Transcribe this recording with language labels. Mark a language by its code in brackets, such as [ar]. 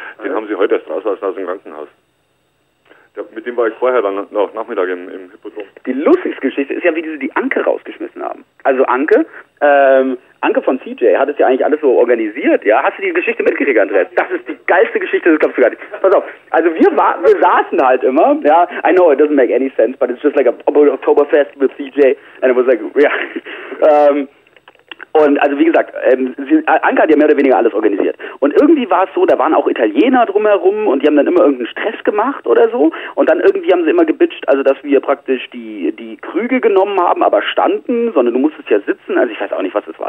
[de] Den haben sie heute erst rausgelassen aus dem Krankenhaus. Der, mit dem war ich vorher dann noch Nachmittag im Hippodrom. Die lustigste Geschichte ist ja, wie die Anke rausgeschmissen haben. Also Anke, Anke von CJ hat es ja eigentlich alles so organisiert, ja? Hast du die Geschichte mitgekriegt, Andreas? Das ist die geilste Geschichte, das glaubst du gar nicht. Pass auf, also wir saßen halt immer, ja, [en] I know it doesn't make any sense, but it's just like a Oktoberfest with CJ, and it was like, yeah. [de] Und also wie gesagt, Anke hat ja mehr oder weniger alles organisiert. Und irgendwie war es so, da waren auch Italiener drumherum und die haben dann immer irgendeinen Stress gemacht oder so. Und dann irgendwie haben sie immer gebitcht, also dass wir praktisch die Krüge genommen haben, aber standen, sondern du musstest ja sitzen. Also ich weiß auch nicht, was das war.